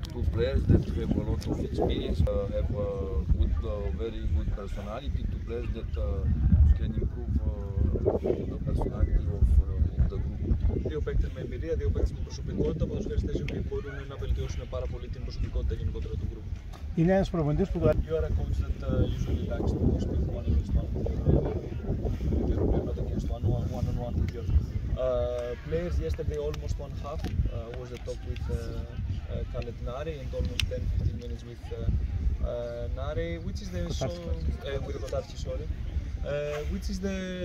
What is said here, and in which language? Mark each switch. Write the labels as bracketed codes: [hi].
[en] Two players that have a lot of experience, have a good, very good personality, two players that can improve the personality of the group. [el] Δύο παίκτες με εμπειρία, δύο παίκτες με προσωπικότητα, ποδοσφαιριστές οι οποίοι μπορούν να βελτιώσουν πάρα πολύ την προσωπικότητα γενικότερα του group. Είναι ένας προπονητής που το... [en] You are a coach that usually likes to speak one-on-one with your players, one-on-one with your players. Yesterday almost one half was the talk with Khaled Nari and almost 10-15 minutes with Nari, which is the which is the